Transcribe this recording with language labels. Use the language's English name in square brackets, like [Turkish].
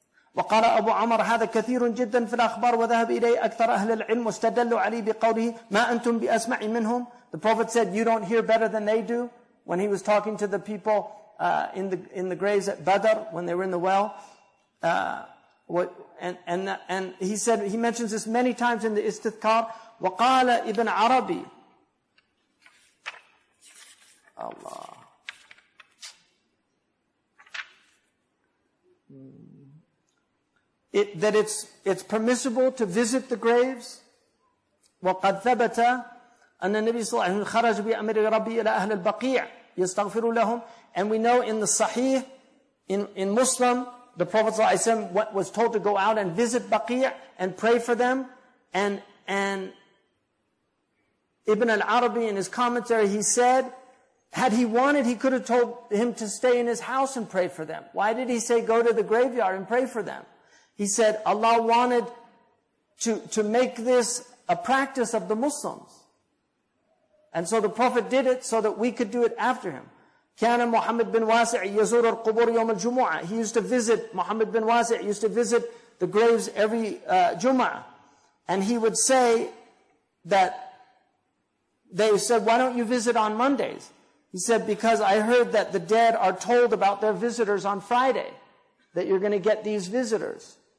[Arabic] وقال أبو عمر هذا كثير جدا في الأخبار وذهب إليه أكثر أهل العلم واستدلوا عليه بقوله ما أنتم بأسمع منهم. [English] The Prophet said, you don't hear better than they do. When he was talking to the people in the graves at Badr, when they were in the well, and he said, he mentions this many times in the Istithkar. [Arabic] وقال ابن عربي الله [English] it's permissible to visit the graves. [Arabic] وقد ثبت أن النبي صلى الله عليه وسلم خرج بأمر ربي إلى أهل البقيع يستغفر لهم. [English] And we know in the Sahih, in Muslim, the Prophet [Arabic] صلى الله عليه وسلم [English] was told to go out and visit Baqi and pray for them. And Ibn al-Arabi in his commentary, he said, had he wanted, he could have told him to stay in his house and pray for them. Why did he say go to the graveyard and pray for them? He said, Allah wanted to make this a practice of the Muslims. And so the Prophet did it so that we could do it after him. [Arabic] كان محمد بن واسع يزور القبور يوم الجمعة. [English] He used to visit, Muhammad bin Wasi used to visit the graves every Jum'ah. And he would say that, they said, why don't you visit on Mondays? He said, because I heard that the dead are told about their visitors on Friday, that you're going to get these visitors.